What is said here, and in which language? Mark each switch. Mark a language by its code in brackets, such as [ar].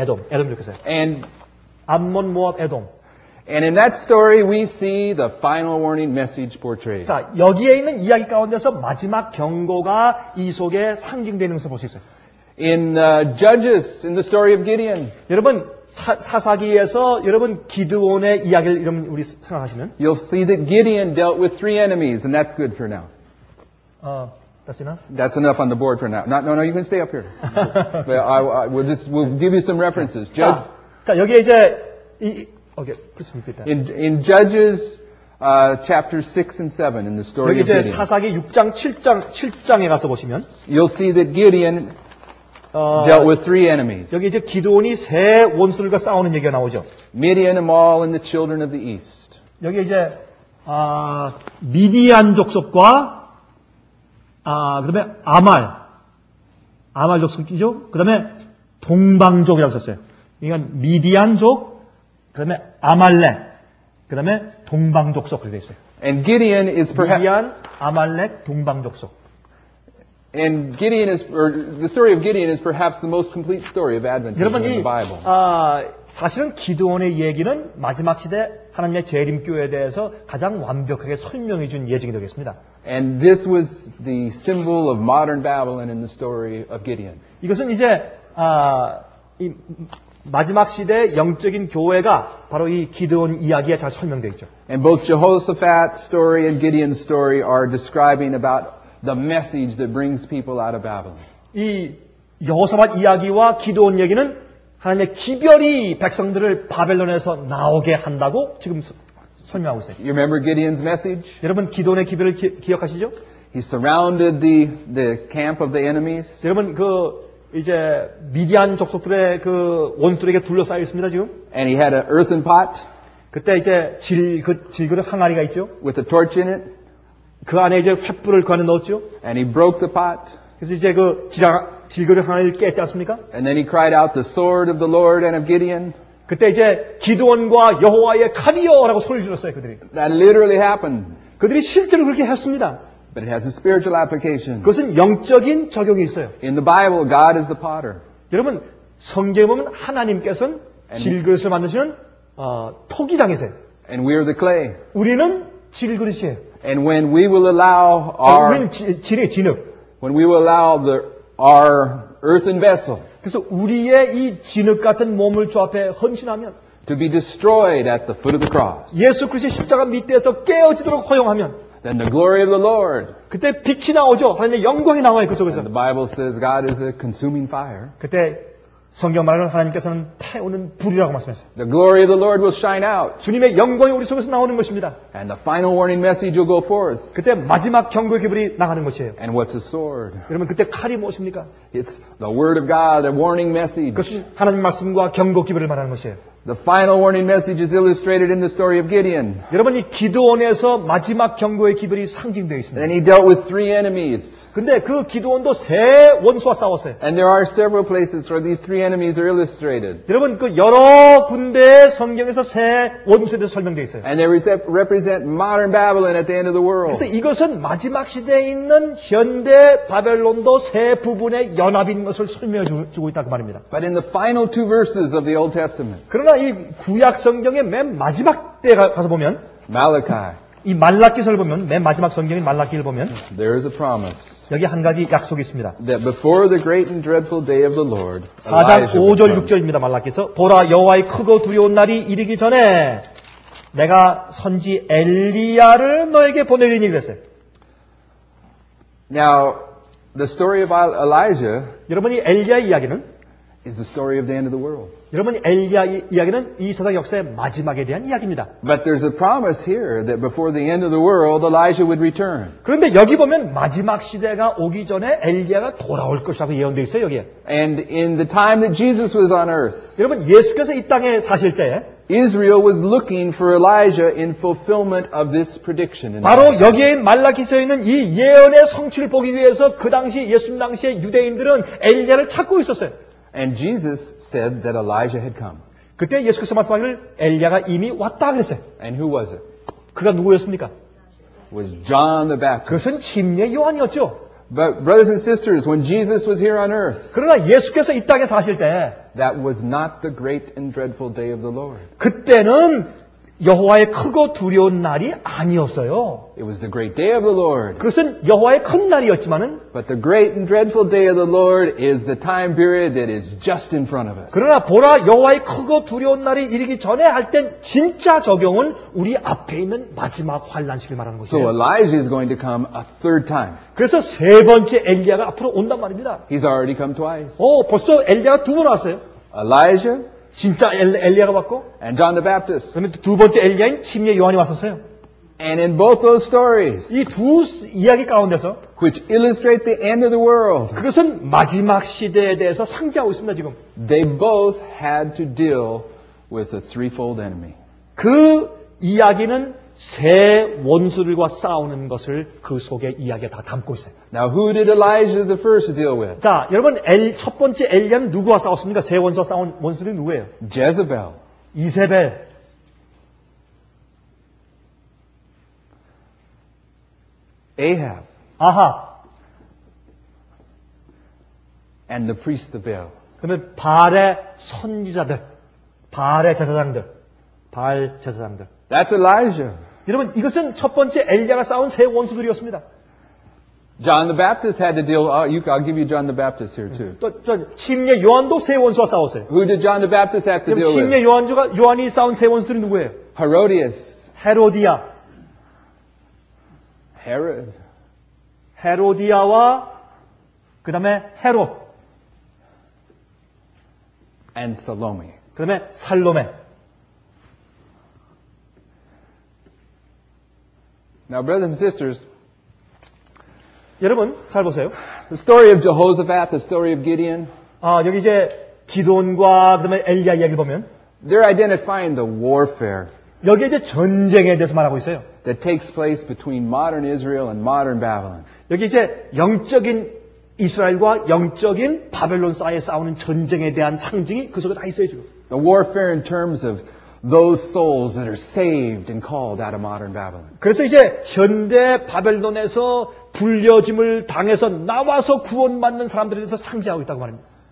[ko] 에돔. 에돔 족속에서. [en] And [ko] 암몬, 모압, 에돔. [en] And in that story, we see the final warning message portrayed. [ko] 자, 여기에 있는 이야기 가운데서 마지막 경고가 이 속에 상징되는 것을 볼 수 있어요. [en] In Judges, in the story of Gideon. [ko] 여러분, 사사기에서 여러분 기드온의 이야기를 여러분 우리 생각하시는? [en] You'll see that Gideon dealt with three enemies, and that's good for now. That's enough? That's enough on the board for now. No, you can stay up here. But we'll give you some references. Judge. [ko] 자, 여기 이제 이 [en] Okay, please repeat that. In Judges chapter 6 and 7 in the story of Gideon. [ko] 여기 이제 사사기 6장 7장 7장에 가서 보시면 [en] You'll see that Gideon dealt with three enemies. [ko] 여기 이제 기드온이 세 원수들과 싸우는 얘기가 나오죠. [en] Midian and Mahl and the children of the east. [ko] 여기 이제 미디안 족속과 그다음에 아말 족속이죠. 그다음에 동방족이라고 썼어요. 그러니까 미디안족 그다음에 아말렉, 그다음에 동방족속 그렇게 있어요. [en] And Gideon is perhaps [ko] 미디안, 아말렉, 동방족속. [en] And Gideon is, or the story of Gideon is perhaps the most complete story of Adventism in the Bible. [ko] 사실은 기드온의 얘기는 마지막 시대 하나님의 재림교회에 대해서 가장 완벽하게 설명해 준 예증이 되겠습니다. [en] And this was the symbol of modern Babylon in the story of Gideon. [ko] 이것은 이제 이 마지막 시대 영적인 교회가 바로 이 기드온 이야기에 잘 설명되어 있죠. [en] And both Jehoshaphat's story and Gideon's story are describing about the message that brings people out of Babylon. [ko] 이 여호사밧 이야기와 기드온 이야기는 하나님의 기별이 백성들을 바벨론에서 나오게 한다고 지금 설명하고 있어요. [en] You remember Gideon's message? [ko] 여러분 기드온의 기별을 기억하시죠? [en] He surrounded the camp of the enemies. [ko] 여러분 그 이제 미디안 족속들의 그 원수들에게 둘러싸여 있습니다 지금. [en] And he had an earthen pot. [ko] 그때 이제 질그릇 항아리가 있죠. [en] With a torch in it. [ko] 그 안에 이제 횃불을 그 안에 넣었죠. [en] And he broke the pot. [ko] 그래서 이제 그 질그릇 항아리를 깼지 않습니까? [en] And then he cried out, "The sword of the Lord and of Gideon." [ko] 그때 이제 기드온과 여호와의 칼이여라고 소리를 질렀어요 그들이. [en] That literally happened. [ko] 그들이 실제로 그렇게 했습니다. [en] But it has a spiritual application. [ko] 그것은 영적인 적용이 있어요. [en] In the Bible, God is the potter. [ko] 여러분, 성경에 보면 하나님께서는 질그릇을 만드시는 토기장이세요. [en] And we are the clay. [ko] 우리는 질그릇이에요. [en] And when we will allow our [ko] 진이 진흙. [en] When we will allow our earthen vessel. [ko] 그래서 우리의 이 진흙 같은 몸을 주 앞에 헌신하면 [en] to be destroyed at the foot of the cross. [ko] 예수 그리스도의 십자가 밑에서 깨어지도록 허용하면 [en] Then the glory of the Lord. [ko] 그때 빛이 나오죠. 하나님의 영광이 나와요 그 속에서. [en] And the Bible says God is a consuming fire. [ko] 그때 성경 말하는 하나님께서는 태우는 불이라고 말씀했어요. [en] The glory of the Lord will shine out. [ko] 주님의 영광이 우리 속에서 나오는 것입니다. [en] And the final warning message will go forth. [ko] 그때 마지막 경고의 기별이 나가는 것이에요. [en] And what's a sword? [ko] 그러면 그때 칼이 무엇입니까? [en] It's the word of God, a warning message. [ko] 그것이 하나님 말씀과 경고 기별을 말하는 것이에요. [en] The final warning message is illustrated in the story of Gideon. [ko] 여러분, 이 기드온에서 마지막 경고의 기별이 상징되어 있습니다. [en] And he dealt with three enemies. [ko] 근데 그 기드온도 세 원수와 싸웠어요. [en] And there are several places where these three enemies are illustrated. [ko] 여러분, 그 여러 군데 성경에서 세 원수에 대해 설명되어 있어요. [en] And they represent modern Babylon at the end of the world. [ko] 그래서 이것은 마지막 시대에 있는 현대 바벨론도 세 부분의 연합인 것을 설명해주고 있다고 말입니다. [en] But in the final two verses of the Old Testament. [ko] 그러나 이 구약 성경의 맨 마지막 때 가서 보면 [en] Malachi. [ko] 이 말라기서를 보면 맨 마지막 성경인 말라기를 보면 [en] There is a promise. [ko] 여기 한 가지 약속이 있습니다. [en] That before the great and dreadful day of the Lord. [ko] 4장 5절 6절입니다. 말라기서 보라 여호와의 크고 두려운 날이 이르기 전에 내가 선지 엘리야를 너에게 보내리니 그랬어요. [en] Now the story of Elijah. [ko] 여러분이 엘리야의 이야기는 [en] is the story of the end of the world. [ko] 여러분 엘리야 이야기는 이 세상 역사의 마지막에 대한 이야기입니다. [en] But there's a promise here that before the end of the world Elijah would return. [ko] 그런데 여기 보면 마지막 시대가 오기 전에 엘리야가 돌아올 것이라고 예언되어 있어요, 여기에. [en] And in the time that Jesus was on earth. [ko] 여러분 예수께서 이 땅에 사실 때 [en] Israel was looking for Elijah in fulfillment of this prediction. [ko] 바로 여기에 말라기서에 있는 이 예언의 성취를 보기 위해서 그 당시 예수님 당시의 유대인들은 엘리야를 찾고 있었어요. [en] And Jesus said that Elijah had come. [ko] 그때 예수께서 말씀하기를 엘리야가 이미 왔다 그랬어요. [en] And who was it? [ko] 그가 누구였습니까? [en] Was John the Baptist. [ko] 그것은 침례 요한이었죠. [en] But brothers and sisters, when Jesus was here on earth. [ko] 그러나 예수께서 이 땅에 사실 때 [en] that was not the great and dreadful day of the Lord. [ko] 그때는 여호와의 크고 두려운 날이 아니었어요. [en] It was the great day of the Lord. [ko] 그것은 여호와의 큰 날이었지만은 [en] But the great and dreadful day of the Lord is the time period that is just in front of us. [ko] 그러나 보라 여호와의 크고 두려운 날이 이르기 전에 할 땐 진짜 적용은 우리 앞에 있는 마지막 환난 시기를 말하는 것이에요. [en] So Elijah is going to come a third time. [ko] 그래서 세 번째 엘리야가 앞으로 온단 말입니다. [en] He's already come twice. [ko] 오, 벌써 엘리야가 두 번 왔어요. [en] Elijah [ko] 진짜 엘리야가 왔고 [en] And John the Baptist. [ko] 그다음에 두 번째 엘리야인 침례 요한이 왔었어요. [en] And in both those stories, [ko] 이 두 이야기 가운데서 [en] which illustrate the end of the world, [ko] 그것은 마지막 시대에 대해서 상징하고 있습니다 지금. [en] They both had to deal with a threefold enemy. [ko] 그 이야기는 세 원수들과 싸우는 것을 그 속에 이야기에 다 담고 있어요. [en] Now who did Elijah the first deal with? [ko] 자, 여러분 첫 번째 엘리야는 누구와 싸웠습니까? 세 원수와 싸운 원수들이 누구예요? [en] Jezebel. [ko] 이세벨. [en] Ahab. [ko] 아합. [en] And the priest of Baal. [ko] 그러면 바알의 선지자들, 바알의 제사장들, 바알 제사장들. [en] That's Elijah. [ko] 여러분 이것은 첫 번째 엘리야가 싸운 세 원수들이었습니다. [en] John the Baptist had to deal. I'll give you John the Baptist here too. [ko] 또 침례 요한도 세 원수와 싸웠어요. [en] Who did John the Baptist have to deal with? [ko] 침례 요한이 싸운 세 원수들이 누구예요? [en] Herodias. [ko] 헤로디아. [en] Herod. [ko] 헤로디아와 그다음에 헤롯. [en] And Salome. [ko] 그다음에 살로메. [en] Now, brothers and sisters, [ko] 여러분 잘 보세요. [en] The story of Jehoshaphat, the story of Gideon. [ko] 아 여기 이제 기드온과 그다음에 엘리야 이야기를 보면, [en] they're identifying the warfare. [ko] 여기 이제 전쟁에 대해서 말하고 있어요. [en] That takes place between modern Israel and modern Babylon. [ko] 여기 이제 영적인 이스라엘과 영적인 바벨론 사이에 싸우는 전쟁에 대한 상징이 그 속에 다 있어요 지금. [en] The warfare in terms of those souls that are saved and called out of modern Babylon. [ko] 그래서 이제 현대 바벨론에서 불려짐을 당해서 나와서 구원받는 사람들에 대해서 상징하고 있다고 말합니다.